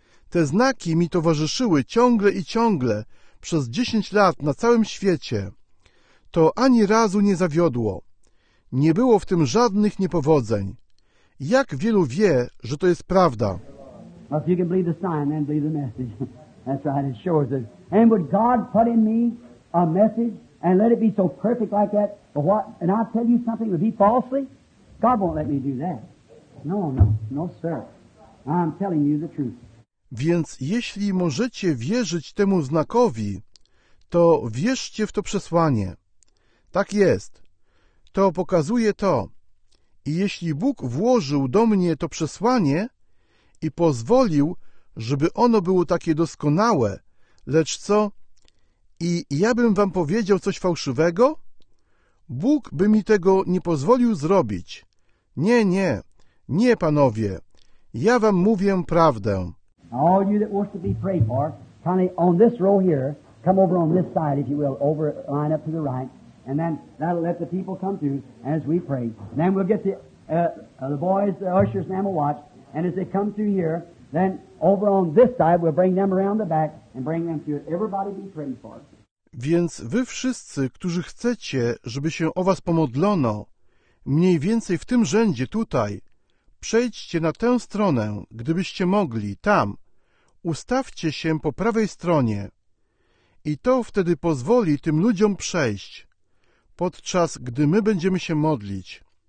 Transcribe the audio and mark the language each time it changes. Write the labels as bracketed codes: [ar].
[pl] Te znaki mi towarzyszyły ciągle i ciągle przez 10 lat na całym świecie. To ani razu nie zawiodło. Nie było w tym żadnych niepowodzeń. Jak wielu wie, że to jest prawda? [en] If you can believe the sign, then believe the message. That's right, it shows it. And would God put in me a message and let it be so perfect like that? But what? And I'll tell you something, it would be falsely? God won't let me do that. No, no, no, sir. I'm telling you the truth. [pl] Więc jeśli możecie wierzyć temu znakowi, to wierzcie w to przesłanie. Tak jest. To pokazuje to. I jeśli Bóg włożył do mnie to przesłanie i pozwolił, żeby ono było takie doskonałe, lecz co? I ja bym wam powiedział coś fałszywego? Bóg by mi tego nie pozwolił zrobić. Nie, nie, nie, panowie. Ja wam mówię prawdę. [en] All you that wants to be prayed for, kindly on this row here, come over on this side, if you will, over line up to the right, and then that'll let the people come through as we pray. And then we'll get the boys, the ushers, and we'll watch, and as they come through here, then over on this side, we'll bring them around the back and bring them through. Everybody be prayed for. [pl] Więc wy wszyscy, którzy chcecie, żeby się o was pomodlono, mniej więcej w tym rzędzie tutaj, przejdźcie na tę stronę, gdybyście mogli, tam. Ustawcie się po prawej stronie. I to wtedy pozwoli tym ludziom przejść, podczas gdy my będziemy się modlić.